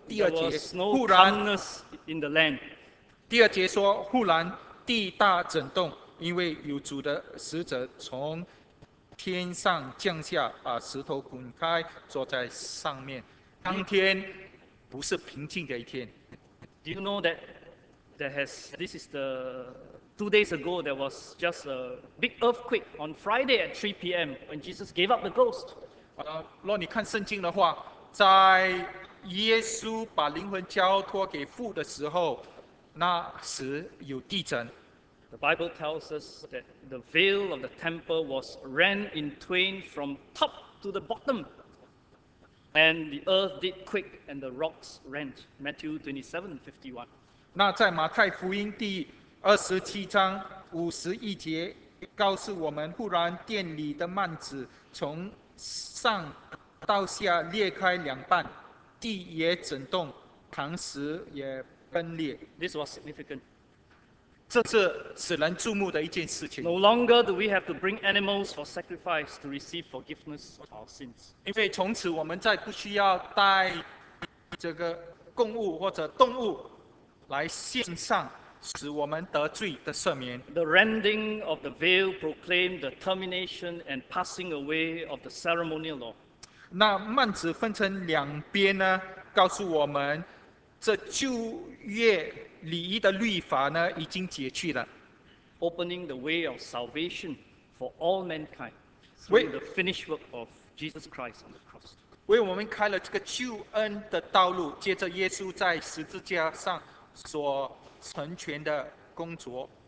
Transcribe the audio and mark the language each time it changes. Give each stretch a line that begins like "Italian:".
Chinese: 第二节，忽然
English: in the land.
Chinese: 第二节说，忽然地大震动，因为有主的使者从天上降下，把石头滚开，坐在上面。当天不是平静的一天。
English: Do you know that this is the 2 days ago there was just a big earthquake on Friday at 3 p.m. when Jesus gave up the ghost.
Chinese: 若你看圣经的话，在耶稣把灵魂交托给父的时候，那时有地震。
English: The Bible tells us that the veil of the temple was rent in twain from top to the bottom, and the earth did quake and the rocks rent. Matthew 27:51.
Chinese: 那在马太福音第27章51节告诉我们，忽然殿里的幔子从上到下裂开两半，地也震动，磐石也崩裂。
English: This was significant.
Chinese: 这是使人注目的一件事情。
English: No longer do we have to bring animals for sacrifice to receive forgiveness of our sins.
Chinese: 因为从此我们再不需要带这个供物或者动物来献上，使我们得罪的赦免。
English: The rending of the veil proclaimed the termination and passing away of the ceremonial law.
Chinese: 那幔子分成两边呢，告诉我们这旧约礼仪的律法呢已经解去了。
English: Opening the way of salvation for all mankind through the finished work of Jesus Christ on the cross.
Chinese: 为我们开了这个救恩的道路，借着耶稣在十字架上所成全的工作。